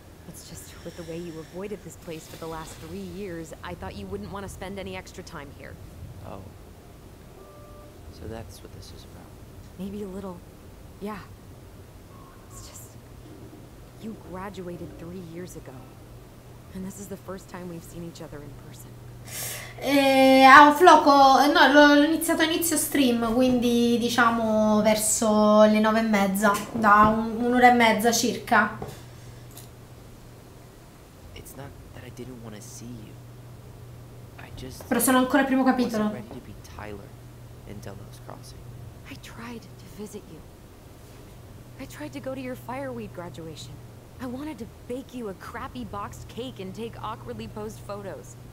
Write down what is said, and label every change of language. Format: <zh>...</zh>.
<en>It's just with the way you avoided this place for the last 3 years, I thought you wouldn't want to spend any extra time here. Oh. So that's what this is about. Maybe a little. Yeah. It's just... You graduated 3 years ago. And this is the first time we've seen each other in person. Floco...</en> <it>No, l'ho iniziato a inizio stream, quindi diciamo verso le 9:30. Da un'ora e mezza circa.</it> <en>It's not that I didn't want to see you. I just...</en> <it>Però sono ancora al primo capitolo.</it> <en>Tyler in Delos Crossing. I tried to visit you. I tried to go to your fireweed graduation. I wanted to bake you a crappy boxed cake and take awkwardly posed photos.</en>